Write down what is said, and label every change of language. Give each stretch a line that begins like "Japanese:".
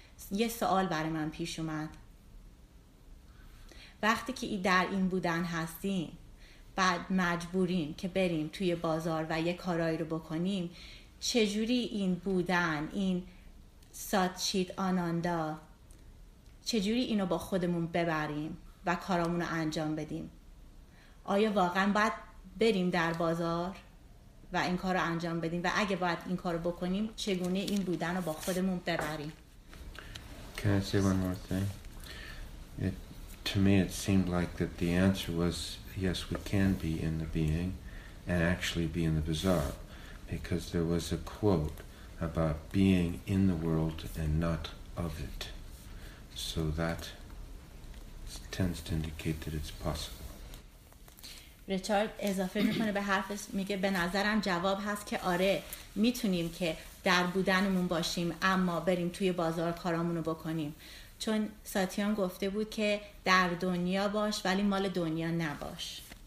Persian: یه سوال برای من پیش اومد، وقتی که در این بودن هستیم بعد مجبوریم که بریم توی بازار و یه کارایی رو بکنیم، چجوری این بودن، این ساتچیت آناندا، چجوری اینو با خودمون ببریم و کارامونو انجام بدیم؟ آیا واقعا باید بریم در بازار و این کار رو انجام بدیم؟ و اگه باید این کار رو بکنیم، چگونه این بودن رو با خودمون ببریم؟
English: Can I say one more thing? To me it seemed like that the answer was yes, we can be in the being and actually be in the bazaar, because there was a quote about being in the world and not of it. So that tends to indicate that it's possible.
Persian: ریچارد اضافه میکنه به حرفش، میگه به نظرم جواب هست که آره، میتونیم که در بودنمون باشیم اما بریم توی بازار کارامونو بکنیم. چون ساتیان گفته بود که در دنیا باش ولی مال دنیا نباش.